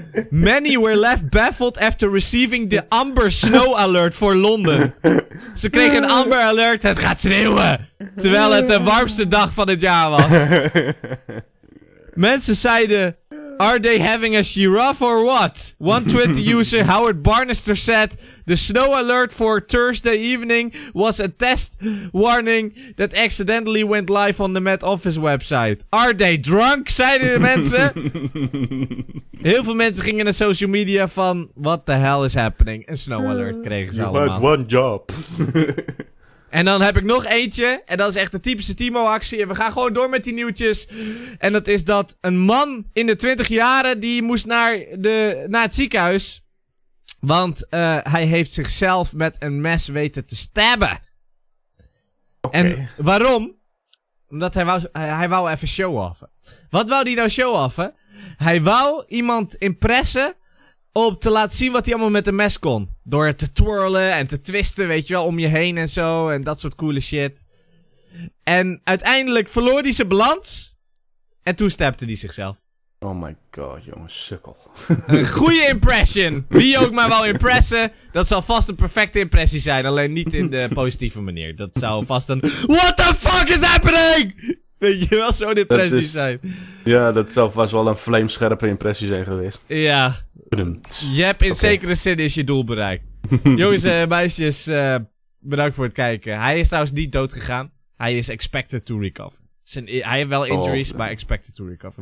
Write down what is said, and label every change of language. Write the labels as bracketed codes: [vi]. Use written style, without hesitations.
[en] Many were left baffled after receiving the Amber Snow Alert for London. [nl] Ze kregen een Amber Alert, het gaat sneeuwen. Terwijl het de warmste dag van het jaar was. Mensen zeiden... [en] Are they having a giraffe or what? One Twitter user, Howard Barnister, said the snow alert for Thursday evening was a test warning that accidentally went live on the Met Office website. Are they drunk? [nl] Zeiden de mensen. Heel veel mensen gingen naar social media van [en] what the hell is happening? [nl] Een snow alert kregen ze [en] you [nl] allemaal. [en] You had one job. [nl] En dan heb ik nog eentje. En dat is echt de typische Timo-actie. En we gaan gewoon door met die nieuwtjes. En dat is dat een man in de 20 jaren... die moest naar het ziekenhuis. Want hij heeft zichzelf met een mes weten te stabben. Okay. En waarom? Omdat hij wou even show-offen. Wat wou hij nou show-offen? Hij wou iemand impressen om te laten zien wat hij allemaal met een mes kon. Door te twirlen en te twisten, weet je wel, om je heen en zo. En dat soort coole shit. En uiteindelijk verloor hij zijn balans. En toen stapte hij zichzelf. [en] Oh my god, [nl] jongen, sukkel. Een goede impression. Wie ook maar wou impressen, dat zal vast een perfecte impressie zijn. Alleen niet in de positieve manier. Dat zou vast een... [en] What the fuck is happening? [nl] Weet je wel, zo'n impressie dat is, zijn. Ja, dat zou vast wel een flamescherpe impressie zijn geweest. Ja. Je hebt in zekere zin is je doel bereikt. Jongens en meisjes, bedankt voor het kijken. Hij is trouwens niet dood gegaan. Hij is [en] expected to recover. [nl] Hij heeft wel injuries, maar expected to recover.